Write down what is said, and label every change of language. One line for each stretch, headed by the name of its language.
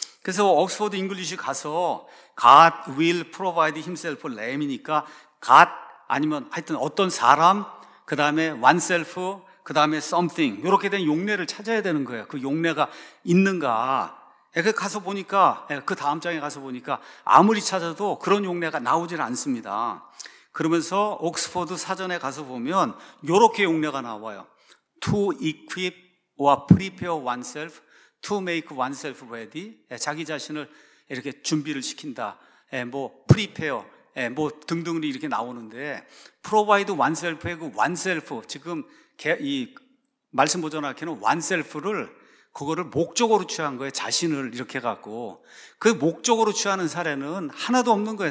Korean: 그래서 옥스퍼드 잉글리시 가서
English: God will provide himself lamb
Korean: 이니까 God 아니면 하여튼 어떤 사람, 그 다음에 oneself, 그 다음에 something, 이렇게 된 용례를 찾아야 되는 거예요. 그 용례가 있는가. 가서 보니까, 그 다음 장에 가서 보니까 아무리 찾아도 그런 용례가 나오질 않습니다. 그러면서 옥스퍼드 사전에 가서 보면 이렇게 용례가 나와요.
English: To equip or prepare oneself, to make oneself ready.
Korean: 자기 자신을 이렇게 준비를 시킨다. 뭐 prepare, 뭐 등등이 이렇게 나오는데, provide oneself의 그 oneself, 지금 이 말씀 보존학회는 oneself를 그거를 목적으로 취한 거예요. 자신을 이렇게 갖고 그 목적으로 취하는 사례는 하나도 없는 거예요.